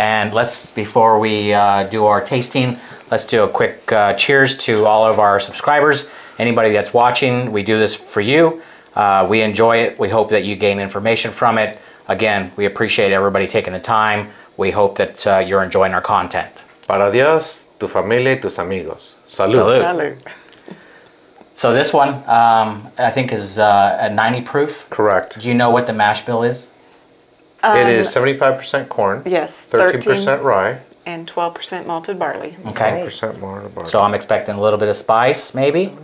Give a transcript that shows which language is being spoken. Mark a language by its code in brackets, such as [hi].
[en] And before we do our tasting, let's do a quick cheers to all of our subscribers. Anybody that's watching, we do this for you. We enjoy it. We hope that you gain information from it. Again, we appreciate everybody taking the time. We hope that you're enjoying our content. [es] Para Dios, tu familia y tus amigos. Salud. Salud. [en] So this one, I think, is a 90 proof. Correct. Do you know what the mash bill is? It is 75% corn. Yes. 13% rye. And 12% malted barley. Okay. 12% malted barley. So I'm expecting a little bit of spice, maybe?